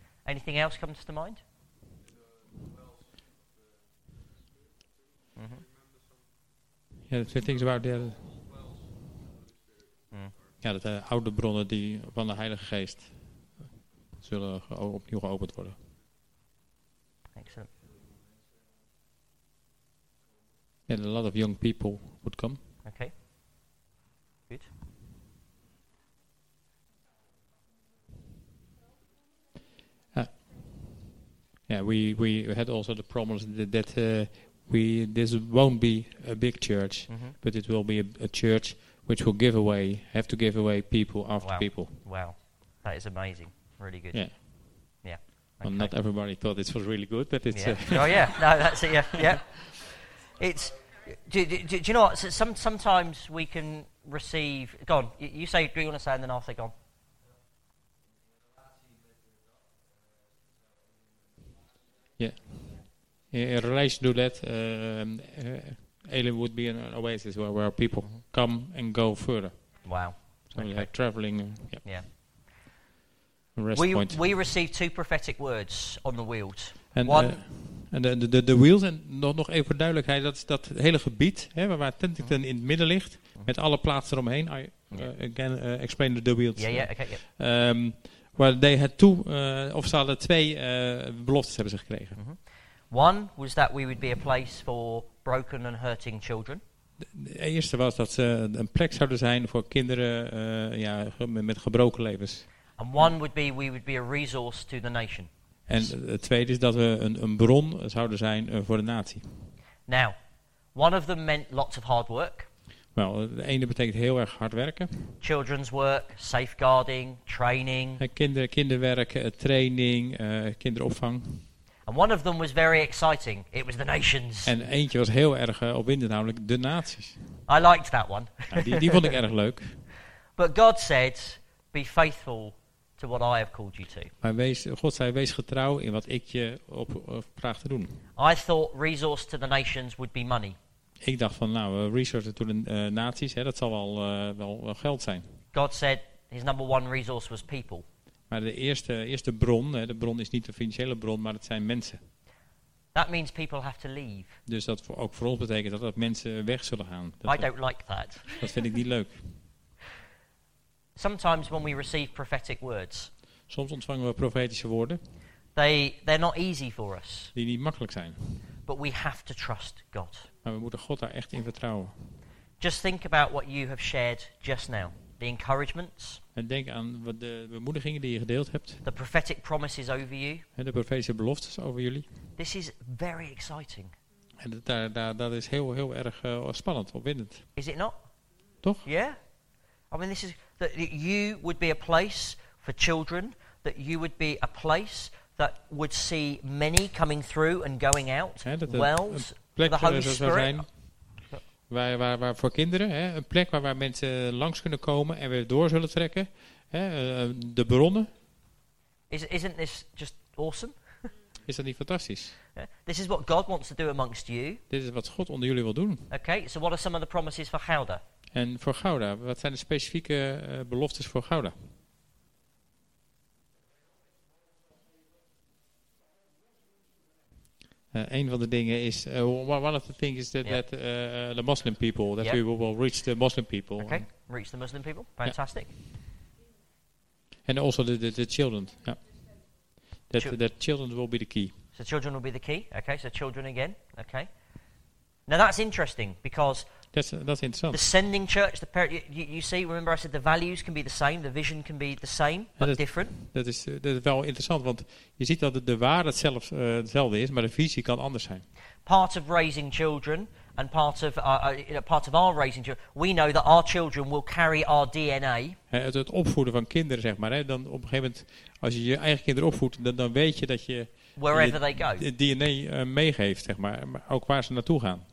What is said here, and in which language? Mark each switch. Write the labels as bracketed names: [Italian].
[English] Anything else comes to mind? Mm-hmm. Yeah, the things about the. Yeah, that [Dutch] oude bronnen die van de Heilige Geest zullen opnieuw geopend worden. [English] Excellent. And a lot of young people would come. Okay. Good. Yeah, we had also the promise that this won't be a big church, mm-hmm, but it will be a church which will have to give away people after, wow, people. Wow, that is amazing. Really good. Yeah. Yeah. Okay. Well, not everybody thought this was really good, but it's. Yeah. Oh, yeah. No, that's it. Yeah. Yeah. It's. Do you know what? Sometimes we can receive. Go on. You say, do you want to say, and then I'll say, go on. Yeah. In relation to that, Alien would be an oasis where people come and go further. Wow. So, okay, like traveling. Yeah. Yeah. We received two prophetic words on the wheels. And the wheels, [Dutch] en nog even voor duidelijkheid, dat is dat hele gebied waar Tentington in het midden ligt, met alle plaatsen eromheen. [English] I again explain the wheels. Yeah, yeah, okay, yeah. Where they had two, [Dutch] of ze hadden twee beloftes hebben ze gekregen. Mm-hmm. [English] One was that we would be a place for broken and hurting children. [Dutch] De eerste was dat ze een plek zouden zijn voor kinderen met gebroken levens. [English] And one would be we would be a resource to the nation. [Dutch] En het tweede is dat we een bron zouden zijn voor de natie. [English] Now, one of them meant lots of hard work. [Dutch] Wel, de ene betekent heel erg hard werken. [English] Children's work, safeguarding, training. [Dutch] Kinderwerk, training, kinderopvang. [English] And one of them was very exciting. It was the nations. [Dutch] En eentje was heel erg opwindend, namelijk de naties. [English] I liked that one. [Dutch] Ja, die vond ik erg leuk. [English] But God said, be faithful to what I have called you to. [Dutch] Maar God zei, wees getrouw in wat ik je op vraag te doen. [English] I thought resource to the nations would be money. [Dutch] Ik dacht van, nou, [English] resource to the [Dutch] naties, dat zal wel geld zijn. [English] God said his number one resource was people. [Dutch] Maar de eerste bron, de bron is niet de financiële bron, maar het zijn mensen. [English] That means people have to leave. [Dutch] Dus dat ook voor ons betekent dat mensen weg zullen gaan. [English] I don't like that. [Dutch] Dat vind ik niet leuk. [English] Sometimes when we receive prophetic words. [Dutch] Soms ontvangen we profetische woorden. [English] They're not easy for us. [Dutch] Die niet makkelijk zijn. [English] But we have to trust God. [Dutch] Maar we moeten God daar echt in vertrouwen. [English] Just think about what you have shared just now. The encouragements. [Dutch] En denk aan de bemoedigingen die je gedeeld hebt. [English] The prophetic promises over you. [Dutch] En de profetische beloftes over jullie. [English] This is very exciting. [Dutch] En dat is heel heel erg spannend, opwindend. [English] Is it not? [Dutch] Toch? [English] Yeah. I mean this is that you would be a place for children, that you would be a place that would see many coming through and going out. Wells, the Holy Spirit. [Dutch] Waar voor kinderen, een plek waar mensen langs kunnen komen en weer door zullen trekken, de bronnen. [English] Isn't this just awesome? [Dutch] Is dat niet fantastisch? [English] This is what God wants to do amongst you. [Dutch] Dit is wat God onder jullie wil doen. [English] Okay, so what are some of the promises for Gouda? [Dutch] En voor Gouda, wat zijn de specifieke beloftes voor Gouda? Een van de dingen is, [English] one of the things is that the Muslim people, that we will reach the Muslim people. Okay, reach the Muslim people, fantastic. Yeah. And also the children, yeah. That children will be the key. So children will be the key, okay, so children again, okay. Now that's interesting, because that's interesting. The sending church, the parent, you see, remember I said the values can be the same, the vision can be the same, but [Dutch] dat, [English] different. [Dutch] Dat is wel interessant, want je ziet dat de waarheid zelf hetzelfde is, maar de visie kan anders zijn. [English] Part of raising children, and part of our raising children, we know that our children will carry our DNA. [Dutch] Het opvoeden van kinderen, zeg maar, dan op een gegeven moment, als je je eigen kinderen opvoedt, dan weet je dat je... [English] Wherever they go. [Dutch] DNA meegeeft, zeg maar, ook waar ze naartoe gaan.